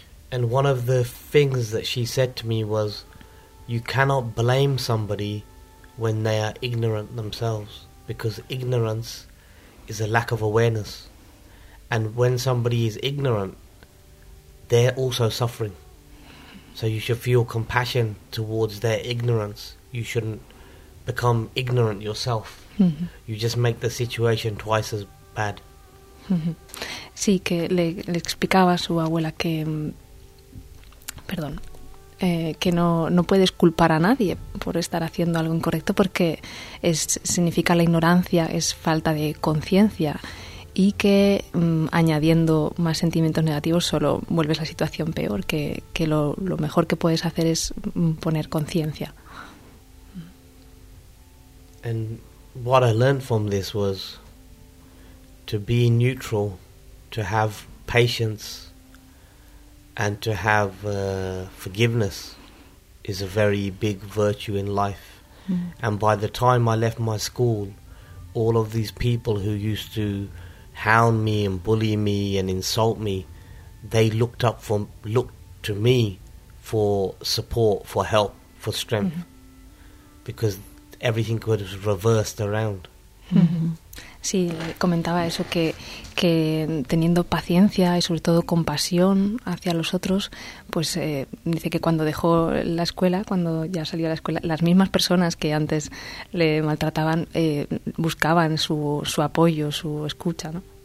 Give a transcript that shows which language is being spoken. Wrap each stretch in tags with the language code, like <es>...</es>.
<en>And one of the things that she said to me was, you cannot blame somebody when they are ignorant themselves, because ignorance is a lack of awareness, and when somebody is ignorant, they're also suffering, so you should feel compassion towards their ignorance. You shouldn't become ignorant yourself. You just make the situation twice as bad.</en> <es>Sí, que le explicaba a su abuela que, perdón, que no puedes culpar a nadie por estar haciendo algo incorrecto, porque significa la ignorancia, es falta de conciencia, y que añadiendo más sentimientos negativos solo vuelves la situación peor, que lo mejor que puedes hacer es poner conciencia.</es> <en>And what I learned from this was to be neutral, to have patience, and to have forgiveness is a very big virtue in life. And by the time I left my school, all of these people who used to hound me and bully me and insult me, they looked to me for support, for help, for strength. because everything could have reversed around.</en> <es>Sí, comentaba eso, que teniendo paciencia y sobre todo compasión hacia los otros, pues dice que cuando dejó la escuela, cuando ya salió a la escuela, las mismas personas que antes le maltrataban buscaban su apoyo, su escucha, ¿no?</es>